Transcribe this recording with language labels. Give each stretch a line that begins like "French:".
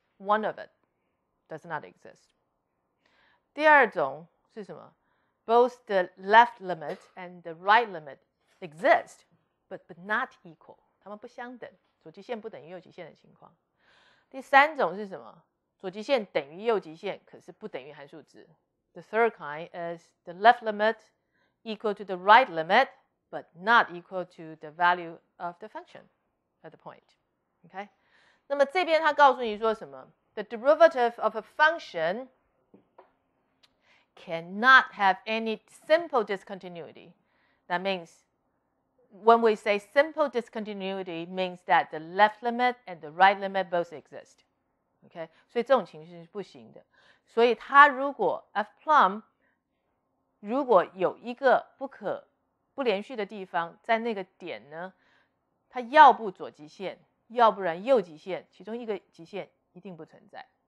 English: One of it does not exist.
Chinese: 第二种是什么？
English: Both the left limit and the right limit exist, but not equal.
Chinese: 它们不相等，左极限不等于右极限的情况。第三种是什么？左极限等于右极限，可是不等于函数值。
English: The third kind is the left limit equal to the right limit. But not equal to the value of the function at the point. Okay,
Chinese: 那么这边他告诉你说什么
English: ？The derivative of a function cannot have any simple discontinuity. That means when we say simple discontinuity, means that the left limit and the right limit both exist.
Chinese: Okay, 所以这种情形是不行的。所以他如果 f prime 如果有一个不可不连续的地方，在那个点呢，它要不左极限，要不然右极限，其中一个极限一定不存在。